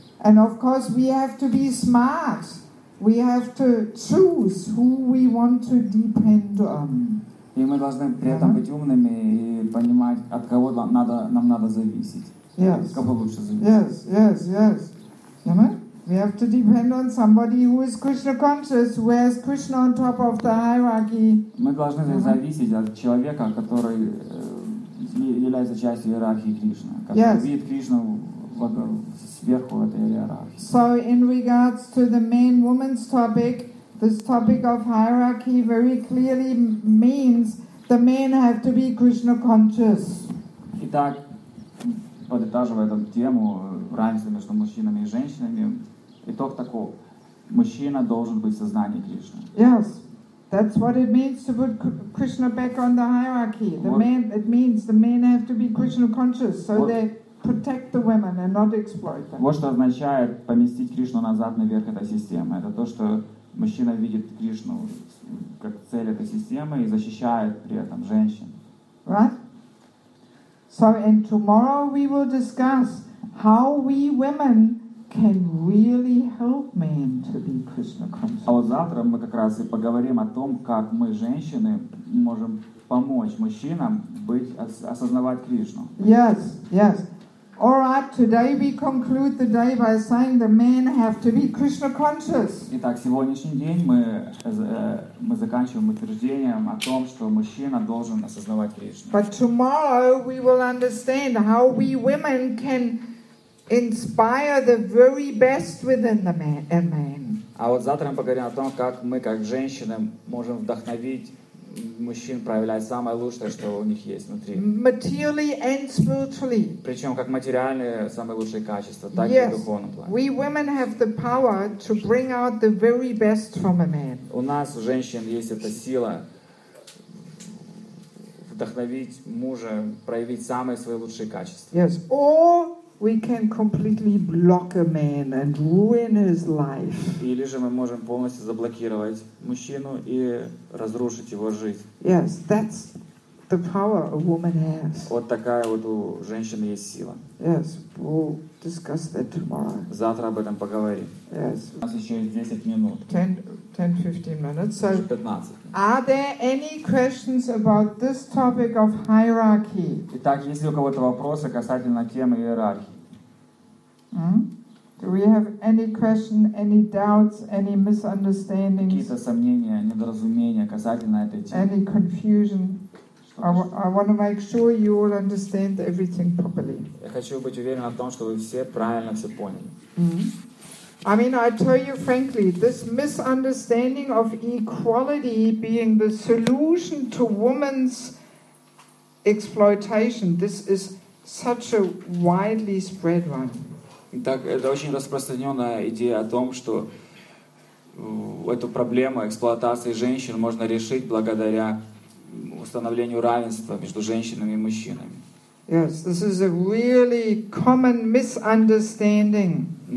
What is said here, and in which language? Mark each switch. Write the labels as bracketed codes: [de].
[en] And of course we have to be smart. We have to choose who we want to depend on. [ru] И мы должны при этом быть умными и понимать, от кого нам надо зависеть. [en] Yes. [ru] Кого лучше зависеть. [en] Yes, yes, yes. We have to depend on somebody who is Krishna conscious, who has Krishna on top of the hierarchy. [ru] Мы должны зависеть от человека, который является частью иерархии Кришны, который видит Кришну сверху в этой иерархии. [en] So in regards to the main woman's topic, this topic of hierarchy very clearly means the men have to be Krishna conscious. [ru] Итак, подытаживая эту тему, разница между мужчинами и женщинами. Итог такой. Мужчина должен быть в сознании Кришны. [en] Yes. That's what it means to put Krishna back on the hierarchy. The men, it means the men have to be Krishna conscious, so they protect the women and not exploit them. [ru] Вот что означает поместить Кришну назад наверх этой системы. Это то, что мужчина видит Кришну как цель этой системы и защищает при этом женщин. [en] Right? So, and tomorrow we will discuss how we women can really help men to be Krishna conscious. [ru] А вот завтра мы как раз и поговорим о том, как мы, женщины, можем помочь мужчинам осознавать Кришну. [en] Yes, yes. All right, today we conclude the day by saying the men have to be Krishna conscious. [ru] Итак, сегодняшний день мы заканчиваем утверждением о том, что мужчина должен осознавать Кришну. [en] But tomorrow we will understand how we women can inspire the very best within the man. [ru] А вот завтра мы поговорим о том, как мы, как женщины, можем вдохновить мужчин проявлять самое лучшее, что у них есть внутри. [en] Materially and spiritually. [ru] Причем как материальные самые лучшие качества, так [en] yes. [ru] и в духовном плане. [en] We women have the power to bring out the very best from a man. [ru] У нас, у женщин, есть эта сила вдохновить мужа, проявить самые свои лучшие качества. [en] Yes. Or we can completely block a man and ruin his life. [ru] Или же мы можем полностью заблокировать мужчину и разрушить его жизнь. [en] Yes, that's the power a woman has. [ru] Вот такая вот у женщины есть сила. [en] Yes, we'll discuss that tomorrow. [ru] Завтра об этом поговорим. [en] Yes. [ru] У нас еще есть 10 минут. [en] 10-15 minutes. So 15. Are there any questions about this topic of hierarchy? [ru] Итак, есть ли у кого-то вопросы касательно темы иерархии? [en] Do we have any question, any doubts, any misunderstandings? [ru] Какие-то сомнения, недоразумения касательно этой темы? [en] Any confusion? I want to make sure you all understand everything properly. [ru] Я хочу быть уверен в том, что вы все правильно все поняли. [en] I mean, I tell you frankly, this misunderstanding of equality being the solution to women's exploitation, this is such a widely spread one. [ru] Так, это очень распространенная идея о том, что эту проблему эксплуатации женщин можно решить благодаря установлению равенства между женщинами и мужчинами. [en] Yes, this is a really common misunderstanding.